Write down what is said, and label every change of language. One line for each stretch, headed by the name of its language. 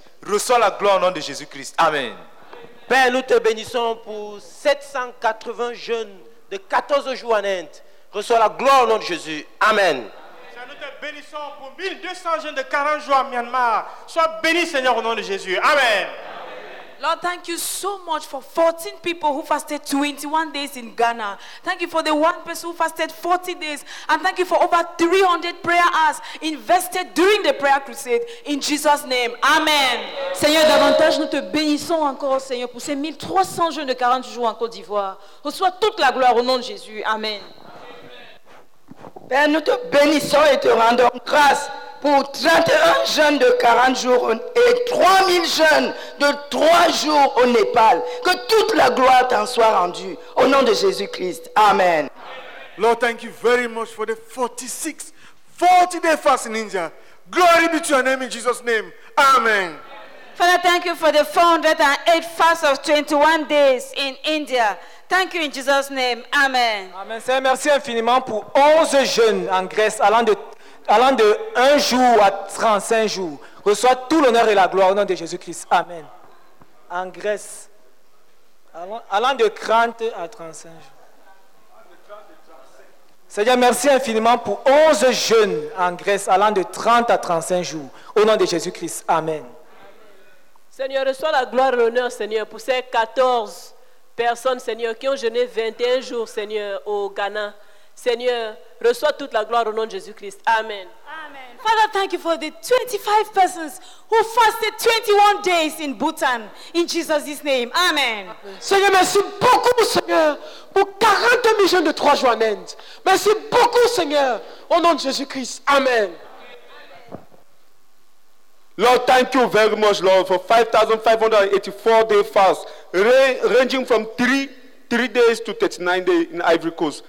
French: Reçois la gloire au nom de Jésus-Christ. Amen. Père, nous te bénissons pour 780 jeunes de 14 jours en Inde. Reçois la gloire au nom de Jésus. Amen. Seigneur, nous te bénissons pour 1200 jeunes de 40 jours à Myanmar. Sois béni, Seigneur, au nom de Jésus. Amen.
English: Lord, thank you so much for 14 people who fasted 21 days in Ghana. Thank you for the one person who fasted 40 days. And thank you for over 300 prayer hours invested during the prayer crusade. In Jesus' name, amen.
French: Seigneur, davantage, nous te bénissons encore, Seigneur, pour ces 1300 jeunes de 40 jours en Côte d'Ivoire. Reçois toute la gloire au nom de Jésus. Amen. Père, nous te bénissons et te rendons grâce pour 31 jeunes de 40 jours et 3000 jeunes de 3 jours au Népal. Que toute la gloire t'en soit rendue. Au nom de Jésus-Christ. Amen.
English: Lord, thank you very much for the 40 day fast in India. Glory be to your name in Jesus' name. Amen. Father, thank you for the 408 fast of 21 days in India. Thank you in Jesus' name. Amen. Amen.
French: Seigneur, merci infiniment pour 11 jeunes en Grèce allant de 1 jour à 35 jours. Reçois tout l'honneur et la gloire au nom de Jésus-Christ. Amen. En Grèce, allant de 30 à 35 jours. Seigneur, merci infiniment pour 11 jeunes en Grèce allant de 30 à 35 jours. Au nom de Jésus-Christ. Amen. Seigneur, reçois la gloire et l'honneur, Seigneur, pour ces 14 personnes, Seigneur, qui ont jeûné 21 jours, Seigneur, au Ghana. Seigneur, reçois toute la gloire au nom de Jésus-Christ. Amen. Amen.
English: Father, thank you for the 25 persons who fasted 21 days in Bhutan. In Jesus' name. Amen.
French: Seigneur, merci beaucoup, Seigneur, pour 40 000 jeunes de 3 jours à Nantes. Merci beaucoup, Seigneur, au nom de Jésus-Christ. Amen.
English: Lord, thank you very much, Lord, for 5,584 day fast, ranging from 3 days to 39 days in Ivory Coast.